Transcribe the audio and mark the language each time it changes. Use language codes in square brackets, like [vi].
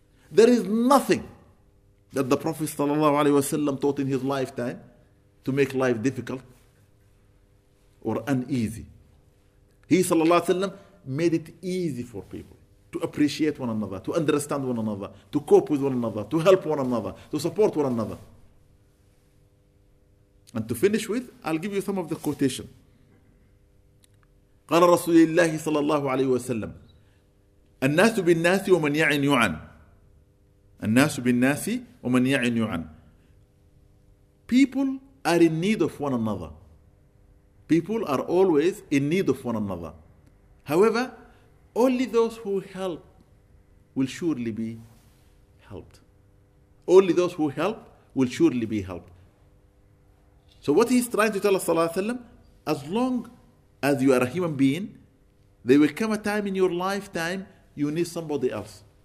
[en] There is nothing that the Prophet sallallahu alaihi wasallam taught in his lifetime to make life difficult or uneasy. He sallallahu alaihi wasallam made it easy for people to appreciate one another, to understand one another, to cope with one another, to help one another, to support one another. And to finish with, I'll give you some of the quotation. [ar] قال رسول الله صلى الله عليه وسلم الناس بالناس ومن يعن يعن. الناس بالناس ومن يعن يعن. [en] People are in need of one another. People are always in need of one another. However, only those who help will surely be helped. Only those who help will surely be helped. So what he's trying to tell us, sallallahu alayhi wa sallam, as long as you are a human being, there will come a time in your lifetime you need somebody else.